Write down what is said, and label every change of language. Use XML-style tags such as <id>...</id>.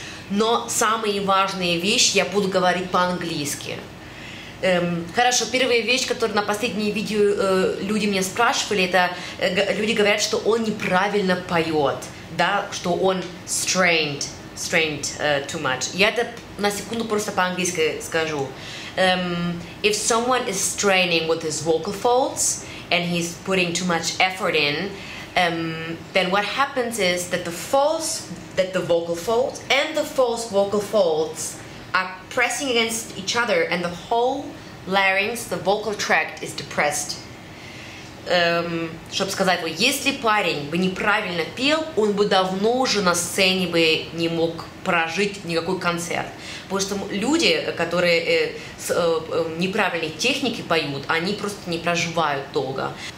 <ru>Но самые важные вещи я буду говорить по-английски. Хорошо, первая вещь, которую на последние видео люди меня спрашивали, это люди говорят, что он неправильно поет, да, что он</ru> <en>strained too much.</en> <ru>Я это на секунду просто по-английски скажу.</ru> <en>If someone is straining with his vocal folds and he's putting too much effort in, then what happens is that the vocal folds and the false vocal folds are pressing against each other and the whole larynx, the vocal tract, is depressed.</en> <ru>Чтобы сказать, вот, если парень бы неправильно пел, он бы давно уже на сцене бы не мог прожить никакой концерт. Потому что люди, которые неправильной техникой поют, они просто не проживают долго.</ru>